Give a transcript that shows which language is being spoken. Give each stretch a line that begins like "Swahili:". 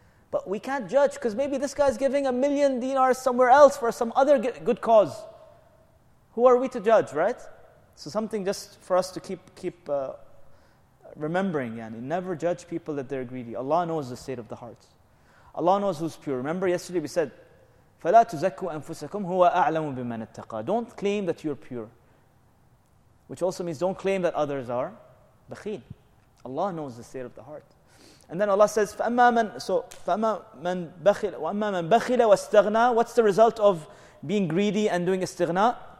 English: But we can't judge, because maybe this guy's giving a million dinars somewhere else for some other good cause. Who are we to judge, right? So something just for us to keep remembering, yani, never judge people that they're greedy. Allah knows the state of the hearts. Allah knows who's pure. Remember yesterday we said,
Arabic: فَلَا تُزَكُّوا أَنفُسَكُمْ هُوَ أَعْلَمُ بِمَنَ اتَّقَى.
English: Don't claim that you're pure. Which also means don't claim that others are بخيل. Allah knows the state of the heart. And then Allah says,
Arabic: فَأَمَّا مَنْ بَخِلَ وَاسْتَغْنَى.
English: What's the result of being greedy and doing istighna?